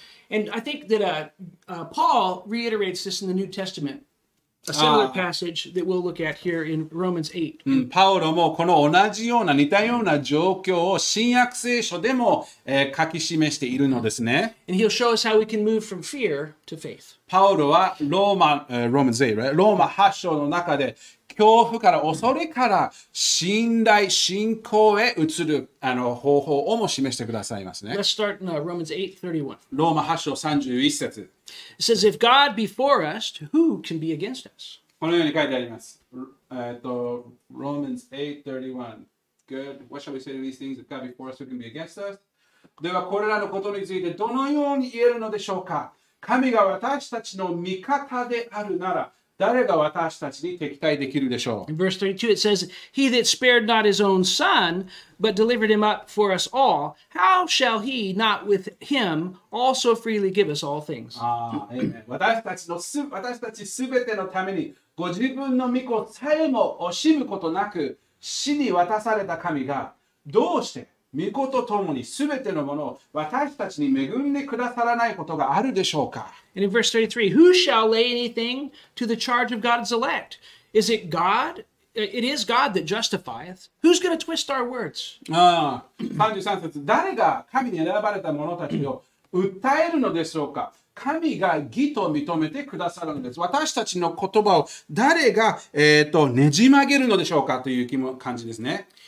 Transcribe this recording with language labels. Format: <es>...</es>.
<en>And I think that Paul reiterates this in the New Testament. A similar passage that we'll look at here in Romans 8.</en> <ja>パウロもこの同じような似たような状況を新約聖書でも、書き示しているのですね。</ja> <en>And he'll show us how we can move from fear to faith.</en> <ja>パウロは</ja> <en>Romans 8, right?</en> <ja>ローマ8章の中で恐怖から恐れから信頼信仰へ移る方法をも示してくださいますね。</ja> <en>Let's start in Romans 8:31.</en> <ja>ローマ8章31節。</ja> <en>It says, if God be for us, who can be against us?</en> <ja>このように書いてあります。</ja> <en>Romans 8:31. Good. What shall we say to these things? If God be for us, who can be against us?</en> <ja>ではこれらのことについてどのように言えるのでしょうか。神が私たちの味方であるなら、誰が私たちに敵対できるでしょう。</ja> <en>In verse 32, it says, He that spared not his own son, but delivered him up for us all, how shall he not with him also freely give us all things? Amen.</en> <ja>私たちすべてのために、ご自分の御子さえも惜しむことなく、死に渡された神が、どうして御子とともにすべてのものを私たちに恵んでくださらないことがあるでしょうか。</ja> <en>And in verse 33, who shall lay anything to the charge of God's elect? Is it God? It is God that justifieth. Who's going to twist our words?</en> <ja>33節、誰が神に選ばれた者たちを訴えるのでしょうか。神が義と認めてくださるのです。私たちの言葉を誰が、ねじ曲げるのでしょうかという感じですね。</ja>